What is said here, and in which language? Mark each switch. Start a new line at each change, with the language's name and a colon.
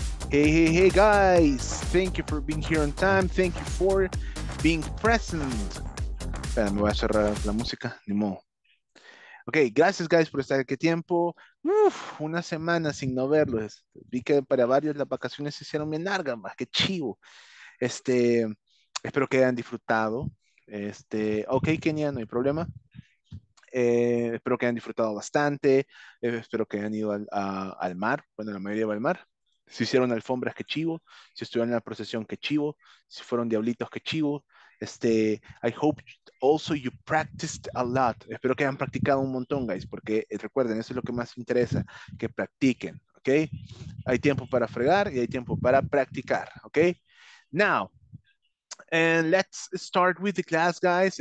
English: Hey, hey, hey, guys, thank you for being here on time, thank you for being present.
Spanish: Espera, me voy a cerrar la música, ni modo. Ok, gracias, guys, por estar aquí a tiempo. Uf, una semana sin no verlos. Vi que para varios las vacaciones se hicieron bien largas, más que chivo. Espero que hayan disfrutado. Ok, Kenia, no hay problema. Espero que hayan disfrutado bastante. Espero que hayan ido al mar. Bueno, la mayoría va al mar. Si hicieron alfombras, qué chivo. Si estuvieron en la procesión, qué chivo. Si fueron diablitos, qué chivo.
English: I hope also you practiced a lot.
Spanish: Espero que hayan practicado un montón, guys. Porque recuerden, eso es lo que más interesa. Que practiquen, ¿ok? Hay tiempo para fregar y hay tiempo para practicar, ¿ok?
English: Now, and let's start with the class, guys.